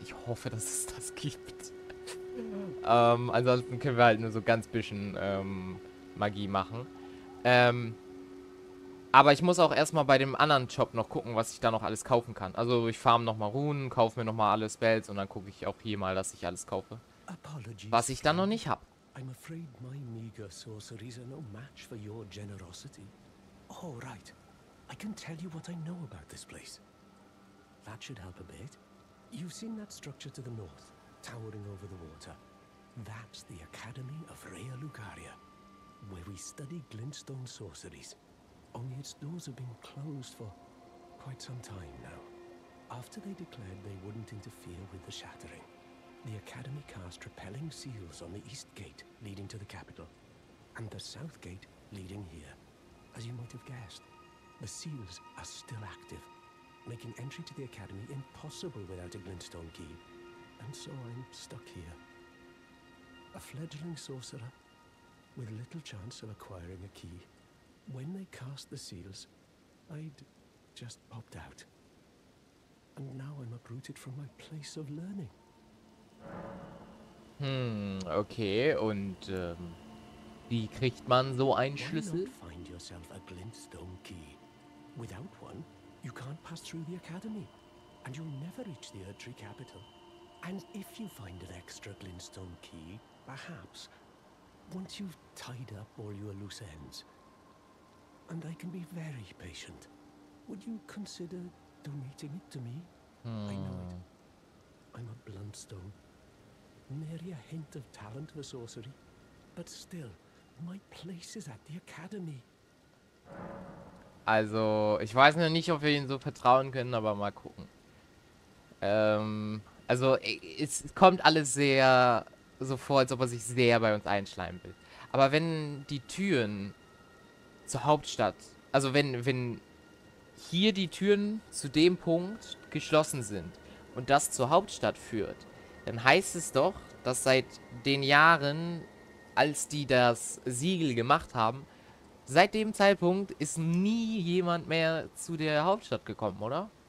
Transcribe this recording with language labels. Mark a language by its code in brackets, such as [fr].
[de] Ich hoffe, dass es das gibt. ansonsten können wir halt nur so ganz bisschen Magie machen. Aber ich muss auch erstmal bei dem anderen Job noch gucken, was ich da noch alles kaufen kann. Also ich farm nochmal Runen, kaufe mir nochmal alle Spells und dann gucke ich auch hier mal, dass ich alles kaufe. Was ich dann noch nicht habe. [en] I'm afraid my meager sorceries are no match for your generosity. Oh, right. I can tell you what I know about this place. That should help a bit. You've seen that structure to the north, towering over the water. That's the Academy of Rhea Lucaria, where we study glintstone sorceries. Only its doors have been closed for quite some time now. After they declared they wouldn't interfere with the shattering. The Academy cast repelling seals on the east gate leading to the capital, and the south gate leading here. As you might have guessed, the seals are still active, making entry to the Academy impossible without a glintstone key. And so I'm stuck here. A fledgling sorcerer with little chance of acquiring a key. When they cast the seals, I'd just popped out. And now I'm uprooted from my place of learning. [de] Okay, und wie kriegt man so einen Schlüssel? [en] Find yourself a Glintstone key. Without one, you can't pass through the academy and you'll never reach the Erdtree capital. And if you find an extra Glintstone key, perhaps once you've tied up all your loose ends, and I can be very patient, would you consider donating it to me? I know it. I'm a Bluntstone. Nary a hint of talent for sorcery. But still, my place is at the academy. [de] Also, ich weiß noch nicht, ob wir ihnen so vertrauen können, aber mal gucken. Also, es kommt alles sehr so vor, als ob er sich sehr bei uns einschleimen will. Aber wenn die Türen zur Hauptstadt, also wenn hier die Türen zu dem Punkt geschlossen sind und das zur Hauptstadt führt, dann heißt es doch, dass seit den Jahren, als die das Siegel gemacht haben, seit dem Zeitpunkt ist nie jemand mehr zu der Hauptstadt gekommen, oder?